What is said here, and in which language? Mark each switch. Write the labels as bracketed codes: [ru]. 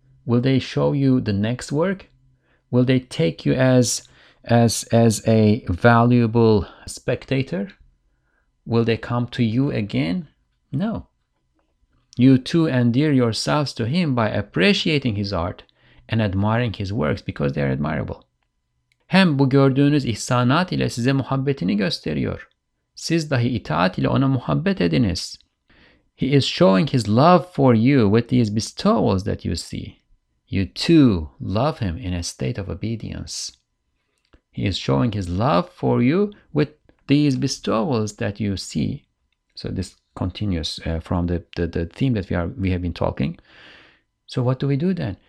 [en] Will they show you the next work? Will they take you as a valuable spectator? Will they come to you again? No. You too endear yourselves to him by appreciating his art and admiring his works because they are admirable. [tr] Hem bu gördüğünüz ihsanat ile size muhabbetini gösteriyor. Siz dahi itaat ile ona muhabbet ediniz. [en] He is showing his love for you with these bestowals that you see. You too love him in a state of obedience. He is showing his love for you with these bestowals that you see. So this continues from the theme that we have been talking. So what do we do then?